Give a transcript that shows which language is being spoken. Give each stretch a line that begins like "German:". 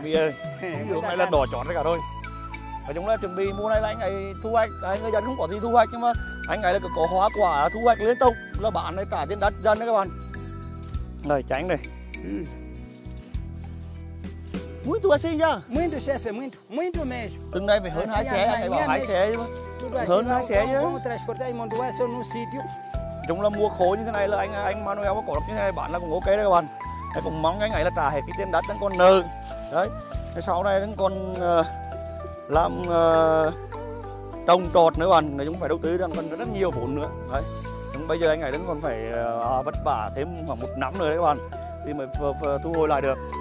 Vietnamese: Bué, hôm nay là đỏ chót cả thôi. Và chúng là chuẩn bị mua này là anh ấy thu hoạch, anh người dân không có gì thu hoạch nhưng mà anh ấy là có hoa quả thu hoạch liên tục là bán này cả trên đất dân đấy các bạn. Rồi tránh đây.
Portuguese: Muito assim já. Muito chefe, muito. Muito mesmo.
Vietnamese: Từng đây phải hơn hai xe, phải bảo hai xe chứ. Hơn hai xe chứ.
Portuguese: Vamos transportar e montar só no sítio.
Vietnamese: Chúng là mua khối như thế này là anh Manuel có cổ lực như thế này bán là cũng ok đấy các bạn. Hay cũng mong anh ấy là trả hết cái tiền đất đang còn nợ. Đấy. Thế sau này đang còn làm trồng trọt nữa bạn, nói chung phải đầu tư đang cần rất nhiều vốn nữa. Đấy. Nhưng bây giờ anh ấy đang còn phải vất vả thêm khoảng một năm nữa đấy các bạn thì mới thu hồi lại được.